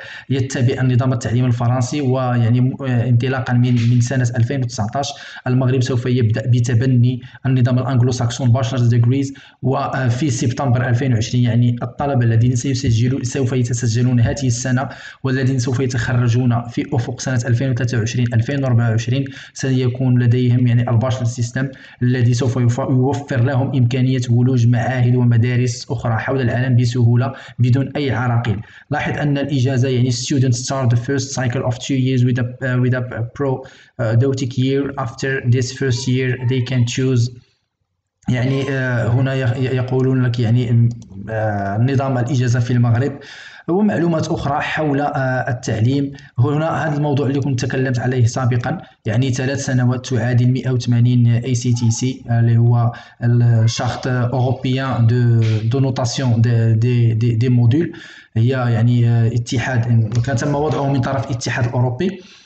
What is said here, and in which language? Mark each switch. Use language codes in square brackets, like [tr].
[ar] يتبع نظام التعليم الفرنسي، ويعني انطلاقا من سنة 2019 المغرب سوف يبدأ بتبني النظام الأنجلو ساكسون باشلرز ديجريز، وفي سبتمبر 2020 يعني الطلبة الذين سوف يتسجلون هذه السنة والذين سوف يتخرجون في أفق سنة 2023 2024 سيكون لديهم يعني الباشلر سيستم الذي سوف يوفر لهم إمكانية ولوج معاهد ومدارس أخرى حول العالم بسهولة بدون أي عراقيل. لاحظ أن الإجازة يعني [en] student start the first cycle of 2 years with a pro doctic year. After this first year they can choose، [ar] يعني هنا يقولون لك يعني نظام الإجازة في المغرب ومعلومات أخرى حول التعليم. هنا هذا الموضوع اللي كنت تكلمت عليه سابقا، يعني 3 سنوات تعادل 180 اي سي تي سي اللي هو الشارت اوروبيان دو نوتاسيون دي موديل، هي يعني اتحاد كان تم وضعه من طرف الاتحاد الأوروبي.